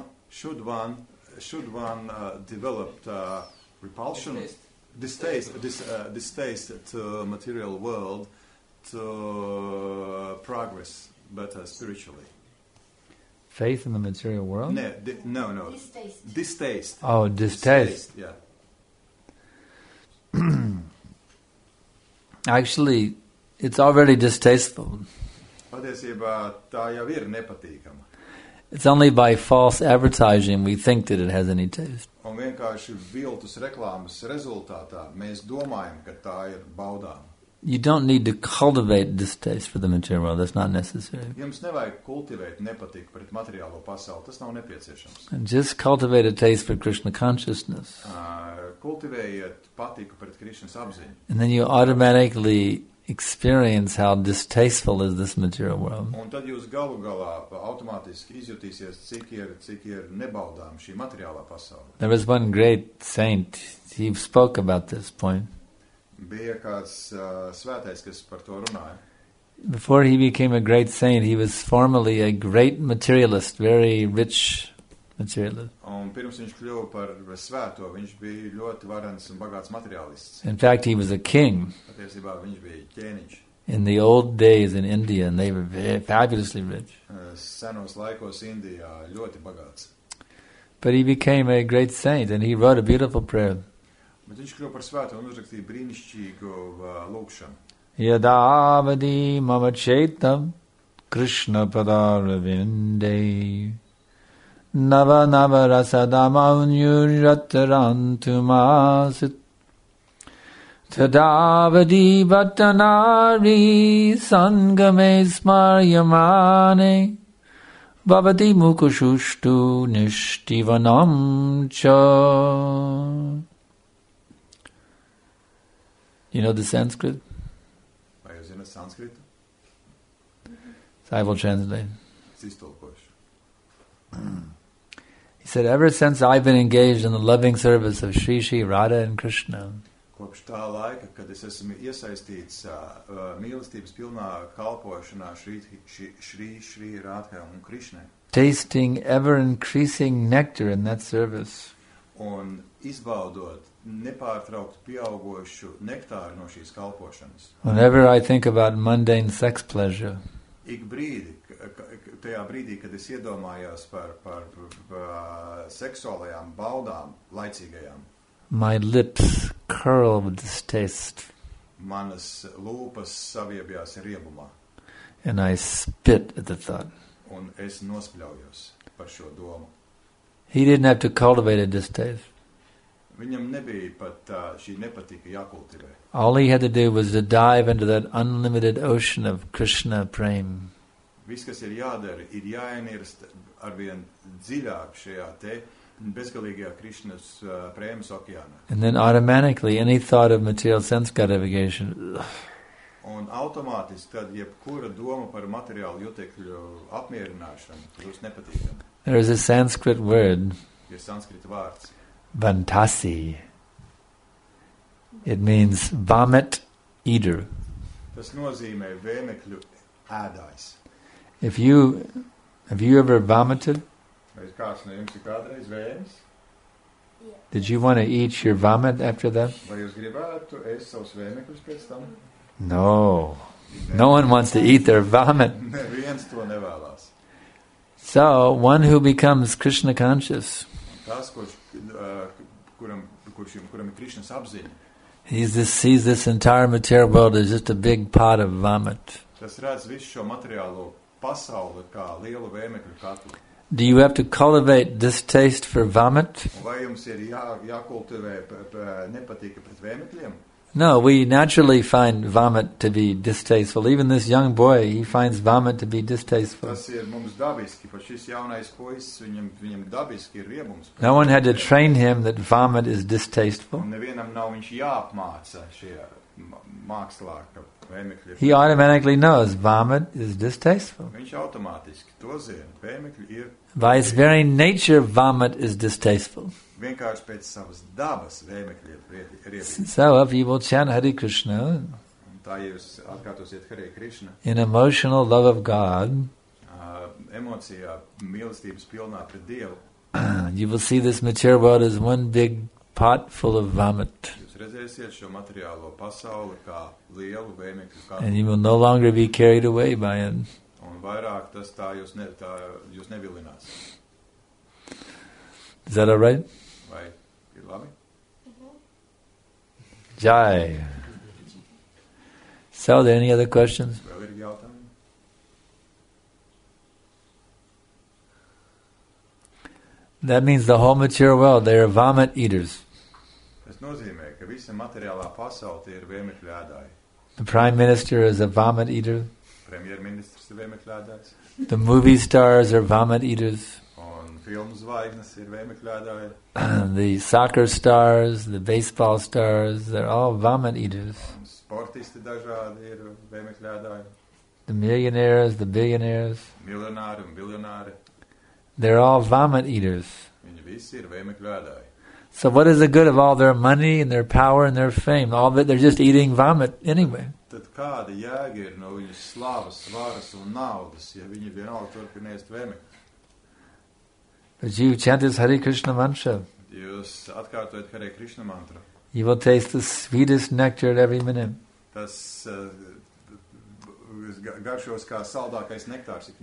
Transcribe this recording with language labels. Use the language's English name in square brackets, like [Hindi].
[English] Should one develop repulsion, distaste to material world to progress better spiritually? Faith in the material world? No. Distaste. Oh, distaste. Yeah. Actually, it's already distasteful. [Latvian] Patiesībā tā jau ir nepatīkama. [English] It's only by false advertising we think that it has any taste. [Latvian] Un vienkārši viltus reklāmas rezultātā mēs domājam, ka tā ir baudāma. [English] You don't need to cultivate distaste for the material. That's not necessary. [Latvian] Jums nevajag kultivēt nepatīku pret materiālo pasauli. Tas nav nepieciešams. [English] And just cultivate a taste for Krishna consciousness. [Latvian] Kultivējiet patīku pret Krishnas apziņu. [English] And then you automatically experience how distasteful is this material world. [Latvian] Un tad jūs galu galā automātiski izjutīsies, cik ir nebaudām šī materiālā pasaule. [English] There was one great saint. He spoke about this point. [Latvian] bija kāds svētais, kas par to runāja. [English] Before he became a great saint, he was formerly a great materialist, very rich materialist. [Latvian] Un pirms viņš kļuva par svēto, viņš bija ļoti varens un bagāts materialists. [English] In fact, he was a king. [Latvian] Patiesībā viņš bija ķēniņš. [English] In the old days in India, and they were very fabulously rich. [Latvian] Senos laikos Indijā ļoti bagāts. [English] But he became a great saint, and he wrote a beautiful prayer. [Latvian] Bet viņš kļuva par svēto un uzrakstīja brīnišķīgu lūkšanu. [Sanskrit] Yadāvadī mama chaitam krishna padāravinde nava nava rasadam aunyuratarantumāsit tadāvadī vatanāri saṅgame smaryamāne bhavati mukushushtu nishtivanam cha. [English] You know the Sanskrit? Sanskrit. I will translate. He said, ever since I've been engaged in the loving service of Sri Sri Radha and Krishna, [Latvian] kopš tā laika, kad es esmu iesaistīts mīlestības pilnā kalpošanā Sri Sri Radha un Krishna, [English] tasting ever increasing nectar in that service, [Latvian] un izbaudot nepārtraukt pieaugošu nektāru no šīs kalpošanas. [English] Whenever I think about mundane sex pleasure, [Latvian] ik brīdi, tajā brīdī, kad es iedomājos par seksuālajām baudām laicīgajām, [English] my lips curl with distaste. [Latvian] Manas lūpas saviebjās riebumā. [English] And I spit at the thought. [Latvian] Un es nospļaujos par šo domu. [English] He didn't have to cultivate a distaste. [Latvian] Viņam nebija pat šī nepatika jākultivē. [English] All he had to do was to dive into that unlimited ocean of Krishna prema. [Latvian] Viss, kas ir jādara, ir jāienirst arvien dziļāk šajā te bezgalīgajā Krishnas prēmas okeānā. [English] And then automatically any thought of material sense gratification. [Latvian] Un automātiski, tad jebkura doma par materiālu jutekļu apmierināšanu, būs nepatīkama. [English] There is a Sanskrit word. [Latvian] Ir Sanskrita vārds. [English] Vantasi. It means vomit eater. [Latvian] Tas nozīmē vēmekļu ēdājs. [English] Have you ever vomited? [Latvian] Vai kāds no jums ir kādreiz vēmis? [English] Did you want to eat your vomit after that? [Latvian] Vai jūs gribētu ēst savus vēmekļus pēc tam? [English] No. No one wants to eat their vomit. [Latvian] Neviens to nevēlās. [English] So, one who becomes Krishna conscious, [Latvian] tas, kuram ir Krishnas apziņa, [English] sees this entire material world as just a big pot of vomit. [Latvian] Tas redz visu šo materiālo pasauli kā lielu vēmekļu katlu. [English] Do you have to cultivate distaste for vomit? [Latvian] Vai jums ir jākultivē nepatika pret vēmekļiem? [English] No, we naturally find vomit to be distasteful. Even this young boy, he finds vomit to be distasteful. [Latvian] Tas ir mums dabiski, pa šis jaunais puisis, viņam dabiski ir riebums. [English] No one had to train him that vomit is distasteful. [Latvian] Nevienam nav viņš jāapmāca šie mākslā, ka vēmekļi. [English] He automatically knows vomit is distasteful. [Latvian] Viņš automātiski to zina, vēmekļi ir. [English] By its very nature, vomit is distasteful. [Latvian] Vienkārši pēc savas dabas vēmekļi ir riebīgi. [English] So, if you will chant Hare Krishna, [Latvian] un tā jūs atkārtosiet Hare Krishna, [English] in emotional love of God, [Latvian] emocijā mīlestības pilnā pret Dievu, [English] you will see this material world as one big pot full of vomit. [Latvian] Jūs redzēsiet šo materiālo pasauli kā lielu vēmekļu kā. [English] And you will no longer be carried away by it. [Latvian] Un vairāk tas tā jūs, ne, tā jūs nevilinās. [English] Is that all right? [Latvian] Vai ir labi? Jai. [English] So, are there any other questions? [Latvian] Vēl ir jautājumi? [English] That means the whole material world, they are vomit eaters. [Latvian] Tas nozīmē, ka visa materiālā pasaule ir vēmekļu ēdāji. [English] The prime minister is a vomit eater. [Latvian] Premjerministrs ir vēmekļu ēdājs. [English] The movie stars are vomit eaters. [Latvian] Filmu zvaigznes ir vēmekļādāji. [English] The soccer stars, the baseball stars, they're all vomit eaters. [Latvian] Sportisti dažādi ir vēmekļādāji. [English] The millionaires, the billionaires. [Latvian] Miljonāri un biljonāri. [English] They're all vomit eaters. [Latvian] Viņi visi ir vēmekļādāji. [English] So what is the good of all their money and their power and their fame? All of it, they're just eating vomit anyway. [Latvian] Tad kāda jēga ir no viņas slavas, svaras un naudas, ja viņi vienalga turpina ēst vēmekļus? [English] But you chant this Hare Krishna mantra. [Latvian] Jūs atkārtojat Hare Krishna mantra. [English] You will taste the sweetest nectar every minute. [Latvian] Tas garšos kā saldākais nektārs.